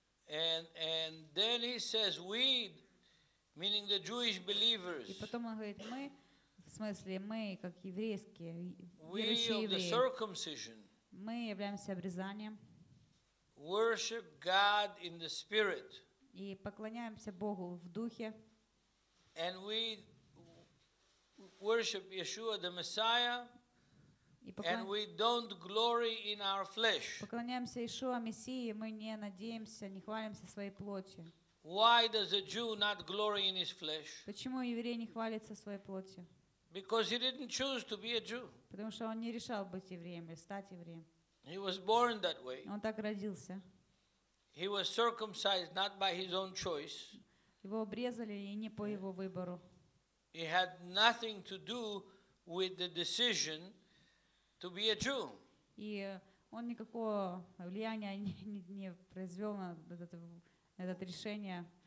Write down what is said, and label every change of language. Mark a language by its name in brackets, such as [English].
[English] And then he says we, meaning the Jewish believers. [Russian] И потом он говорит мы, в смысле мы как еврейские верующие евреи. [English] We of the circumcision. [Russian] Мы являемся обрезанием. [English] Worship God in the spirit. [Russian] И поклоняемся Богу в духе. [English] And we worship Yeshua the Messiah and we don't glory in our flesh. [Russian] Поклоняемся Ишуа Мессии, мы не надеемся, не хвалимся своей плотью. [English] Why does a Jew not glory in his flesh? [Russian] Почему еврей не хвалится своей плотью? [English] Because he didn't choose to be a Jew. [Russian] Потому что он не решал быть евреем или стать евреем. [English] He was born that way. [Russian] Он так родился. [English] He was circumcised not by his own choice. [Russian] Его обрезали и не по его выбору. [English] It had nothing to do with the decision to be a Jew. [Russian] И он никакого влияния не произвёл на это решение